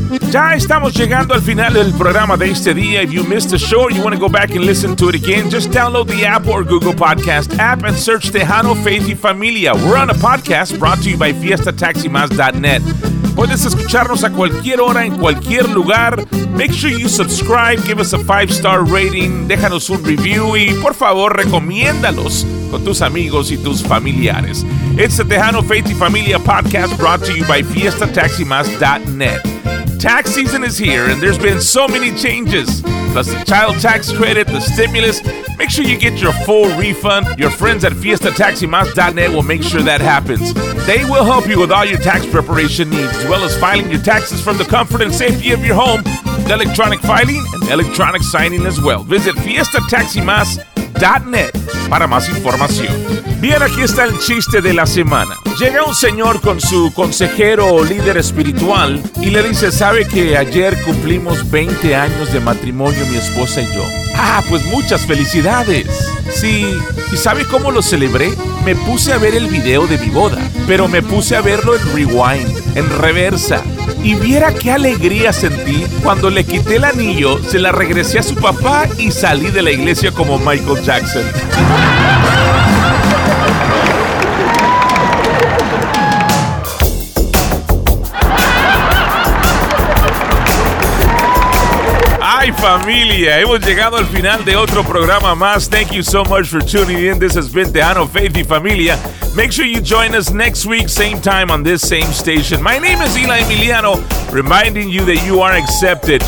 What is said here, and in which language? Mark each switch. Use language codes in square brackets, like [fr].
[es] Ya estamos llegando al final del programa de este día. [en] If you missed the show or you want to go back and listen to it again, just download the app or Google Podcast app and search Tejano, Faith y Familia. We're on a podcast brought to you by FiestaTaxiMas.net. [es] Puedes escucharnos a cualquier hora, en cualquier lugar. [en] Make sure you subscribe, give us a 5-star rating, [es] déjanos un review y por favor, recomiéndalos con tus amigos y tus familiares. [en] It's the Tejano, Faith y Familia podcast brought to you by FiestaTaxiMas.net. Tax season is here, and there's been so many changes. Plus the child tax credit, the stimulus. Make sure you get your full refund. Your friends at FiestaTaxiMas.net will make sure that happens. They will help you with all your tax preparation needs, as well as filing your taxes from the comfort and safety of your home, with electronic filing and electronic signing as well. [es] Visit FiestaTaxiMas.net para más información. Bien, aquí está el chiste de la semana. Llega un señor con su consejero o líder espiritual y le dice: ¿sabe que ayer cumplimos 20 años de matrimonio mi esposa y yo? ¡Ah, pues muchas felicidades! Sí, ¿y sabe cómo lo celebré? Me puse a ver el video de mi boda, pero me puse a verlo en rewind, en reversa. Y viera qué alegría sentí cuando le quité el anillo, se la regresé a su papá y salí de la iglesia como Michael Jackson. ¡Ay, familia! Hemos llegado al final de otro programa más. [en] Thank you so much for tuning in. This has been Tejano, Faith y Familia. Make sure you join us next week, same time on this same station. My name is Eli Emiliano, reminding you that you are accepted.